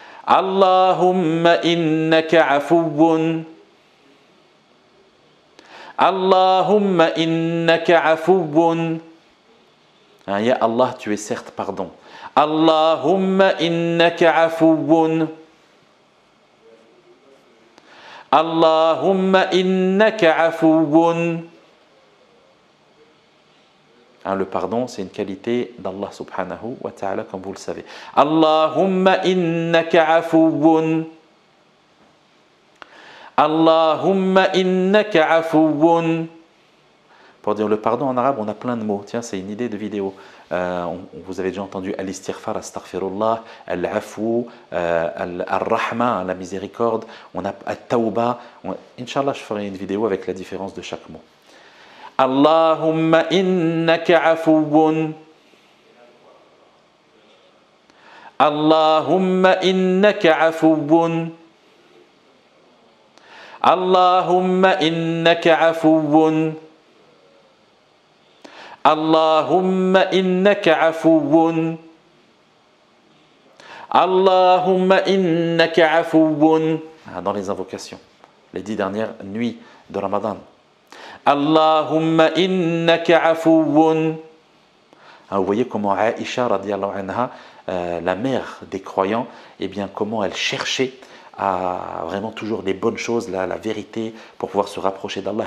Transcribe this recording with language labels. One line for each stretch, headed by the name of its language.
Arabic: اللهم إنك عفو، اللهم إنك عفو. يا الله
French: tu es certes pardon.
Arabic: اللهم إنك عفو، اللهم إنك عفو.
French: Hein, le pardon, c'est une qualité d'Allah subhanahu wa ta'ala, comme vous le savez.
Arabic: Allahumma innaka afuwun. Allahumma innaka afuwun.
French: Pour dire le pardon en arabe, on a plein de mots. Tiens, c'est une idée de vidéo. Vous avez déjà entendu al-istighfar, astaghfirullah, al-afu, al-rahma, la miséricorde. On a al-tawba. Inch'Allah, je ferai une vidéo avec la différence de chaque mot.
Arabic: اللهم إنك عفو، اللهم إنك عفو، اللهم إنك عفو، اللهم إنك عفو، اللهم إنك عفو.
French: dans les invocations, les 10 dernières nuits de Ramadan.
Arabic: اللهم إنك عفو.
French: Vous voyez comment Aïcha radiallahu anha, la mère des croyants, eh bien comment elle cherchait à vraiment toujours les bonnes choses, la vérité pour pouvoir se rapprocher d'Allah.